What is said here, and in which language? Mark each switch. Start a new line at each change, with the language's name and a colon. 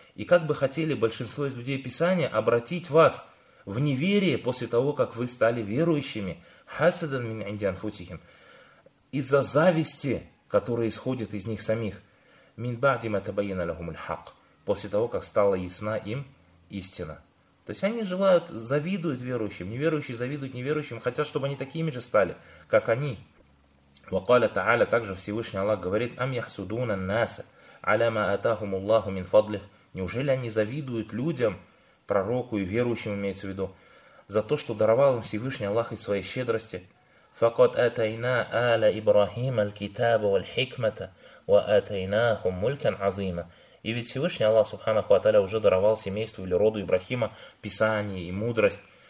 Russian: И как бы хотели большинство из людей Писания обратить вас в неверие после того, как вы стали верующими,
Arabic: «Хасадан мин индиан фусихим»,
Russian: из-за зависти, которая исходит из них самих,
Arabic: «Мин бадима табаина лахумуль хак»,
Russian: после того, как стала ясна им истина. То есть они желают, завидуют верующим, неверующие завидуют неверующим, хотят, чтобы они такими же стали, как они.
Arabic: وقال تعالى,
Russian: также Всевышний Аллах говорит,
Arabic: أَمْ يَحْسُدُونَ النَّاسَ عَلَى مَا أَتَاهُمُ اللَّهُ مِنْ فَضْلِهِ.
Russian: Неужели они завидуют людям, пророку и верующим имеется в виду, за то, что даровал им Всевышний Аллах из своей щедрости?
Arabic: فَقَدْ أَتَيْنَا آلَ إِبْرَاهِيمَ الْكِتَابَ وَالْحِكْمَةَ وَأَتَيْنَاهُمْ مُلْكًا عَظِيمًا.
Russian: И ведь Всевышний Аллах, субханаху ва-таля, уже даровал семейству или роду Ибрахима Писание и мудрость.